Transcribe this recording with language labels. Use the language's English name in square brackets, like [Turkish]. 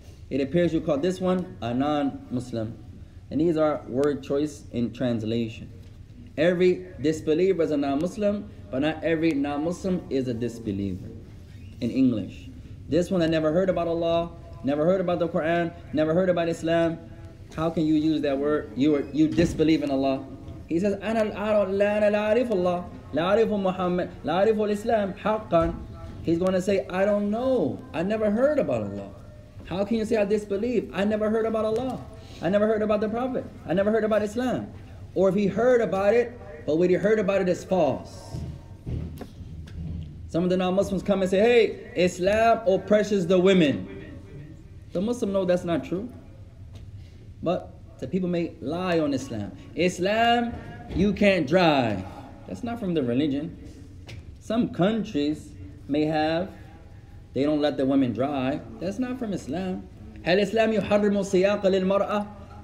[English] It appears you call this one a non-Muslim. And these are word choice in translation. Every disbeliever is a non-Muslim, but not every non-Muslim is a disbeliever in English. This one that never heard about Allah, never heard about the Quran, never heard about Islam, how can you use that word? You disbelieve in Allah. He says, [Arabic] أنا لا أعرف الله, لا أعرف محمد, لا أعرف الإسلام حقا. [English] He's going to say, I don't know, I never heard about Allah. How can you say I disbelieve? I never heard about Allah. I never heard about the Prophet. I never heard about Islam. Or if he heard about it, but what he heard about it is false. Some of the non-Muslims come and say, hey, Islam oppresses the women. The Muslim know that's not true. But the people may lie on Islam. Islam, you can't drive. That's not from the religion. Some countries may have, they don't let the women drive. That's not from Islam. [Arabic] هل إسلام يحرم السياق للمرأة?